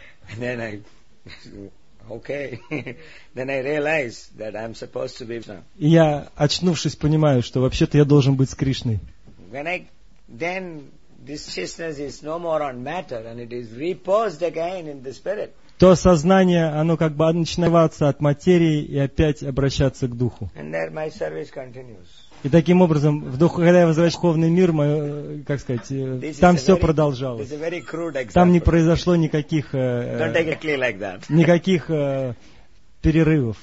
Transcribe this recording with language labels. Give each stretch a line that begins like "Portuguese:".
English: And then I, okay, then I realize that I'm supposed to be Krishna.
Russian: Я, очнувшись, понимаю, что вообще-то я должен быть с Кришной.
English: When I, then this consciousness is no more on matter and it is reposed again in the spirit.
Russian: То сознание, оно как бы начинается от материи и опять обращаться к духу.
English: And there my service continues.
Russian: И таким образом, когда я возвращаюсь в духовный мир, мое, как сказать, там все продолжалось. Там не произошло никаких, никаких перерывов.